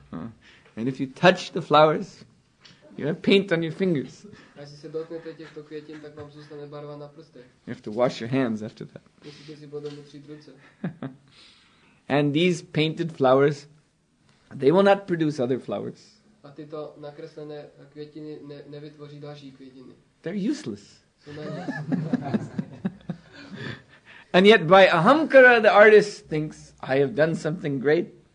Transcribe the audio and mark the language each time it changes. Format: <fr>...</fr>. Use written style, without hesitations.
<en>And if you touch the flowers, you have paint on your fingers.</en> <cs>A jestli se dotknete těchto květin, tak vám zůstane barva na prstech.</cs> <en>You have to wash your hands after that.</en> <cs>Musíte si potom utřít ruce.</cs> <en>And these painted flowers, they will not produce other flowers.</en> <cs>A tyto nakreslené květiny nevytvoří další květiny.</cs> <en>They're useless. And yet by Ahamkara the artist thinks, I have done something great.</en>